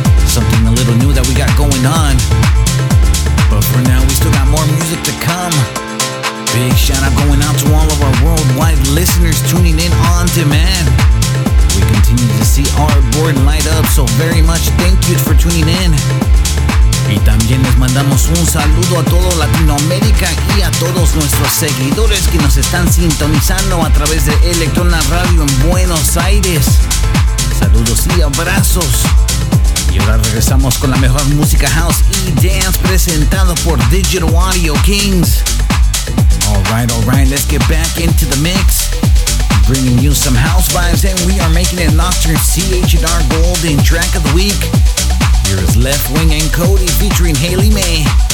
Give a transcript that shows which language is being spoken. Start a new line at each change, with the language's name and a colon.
English: Something a little new that we got going on. But for now, we still got more music to come. Big shout out going out to all of our worldwide listeners tuning in on demand. We continue to see our board light up, so very much thank you for tuning in.
Spanish: Y también les mandamos un saludo a todo Latinoamérica y a todos nuestros seguidores que nos están sintonizando a través de Electrona Radio en Buenos Aires. Saludos y abrazos. Y ahora regresamos con la mejor música house y dance presentado por Digital Audio Kings.
English: All right, let's get back into the mix. Bringing you some house vibes and we are making it Nocturne CHNR Golden Track of the Week. Here is Leftwing and Kody featuring Hayley May.